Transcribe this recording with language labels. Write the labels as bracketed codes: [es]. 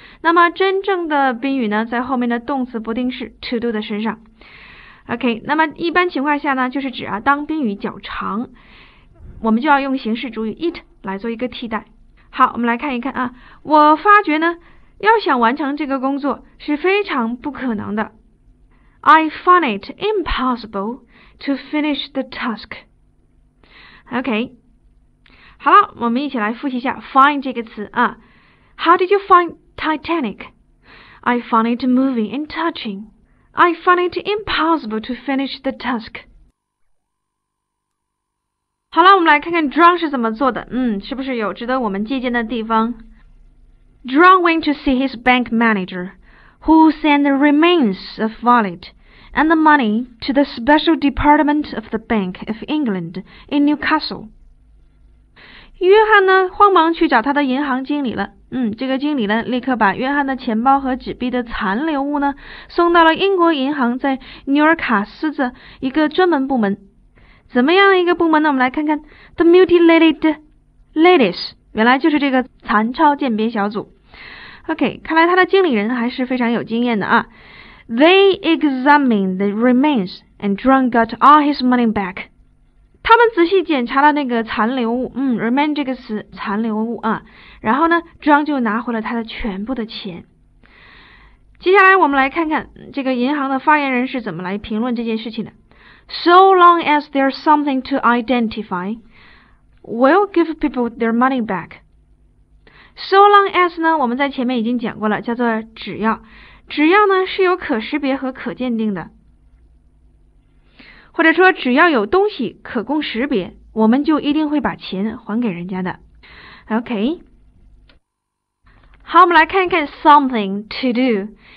[zh] 那么真正的宾语呢在后面的动词不定式 to do 的身上。 OK, 那么一般情况下呢就是指啊当宾语较长，我们就要用形式主语 it 来做一个替代。好，我们来看一看啊，我发觉呢要想完成这个工作是非常不可能的。 [en] I find it impossible to finish the task. [zh] OK, 好了，我们一起来复习一下 find 这个词啊。 [en] How did you find Titanic? I found it moving and touching. I found it impossible to finish the task. [zh] 好了，我们来看看 John 是怎么做的。嗯，是不是有值得我们借鉴的地方？ [en] John went to see his bank manager, who sent the remains of wallet and the money to the special department of the Bank of England in Newcastle. [zh] 约翰呢，慌忙去找他的银行经理了。嗯，这个经理呢，立刻把约翰的钱包和纸币的残留物呢，送到了英国银行在纽尔卡斯的一个专门部门。怎么样一个部门呢？我们来看看 [en] The Mutilated Ladies。 [zh] 原来就是这个残钞鉴别小组。OK, 看来他的经理人还是非常有经验的啊。 [en] They examined the remains and John got all his money back. [zh] 他们仔细检查了那个残留物，嗯 ,remain 这个词残留物啊。然后呢 ,John 就拿回了他的全部的钱。接下来我们来看看这个银行的发言人是怎么来评论这件事情的。 [en] So long as there's something to identify,We'll give people their money back. So long as [zh] 呢，我们在前面已经讲过了，叫做只要。只要呢是有可识别和可鉴定的，或者说只要有东西可供识别，我们就一定会把钱还给人家的。 OK， 好，我们来看一看 [en] something to do。